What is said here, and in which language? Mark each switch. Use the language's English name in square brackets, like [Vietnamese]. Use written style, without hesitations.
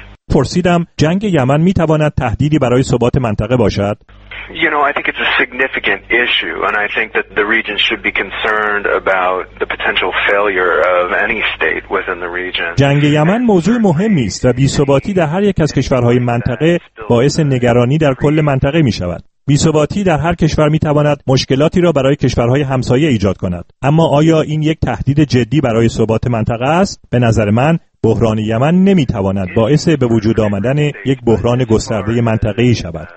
[Persian] پرسیدم جنگ یمن می تواند تهدیدی برای ثبات منطقه باشد؟ [English] You know, I think it's a significant issue, and I think that the region should be concerned about the potential failure of any state within the region. [Persian] جنگ یمن موضوع مهمی است و بی‌ثباتی در هر یک از کشورهای منطقه باعث نگرانی در کل منطقه می‌شود. بی‌ثباتی در هر کشور می‌تواند مشکلاتی را برای کشورهای همسایه ایجاد کند. اما آیا این یک تهدید جدی برای ثبات منطقه است؟ به نظر من بحران یمن نمی‌تواند باعث به وجود آمدن یک بحران گسترده منطقه‌ای شود.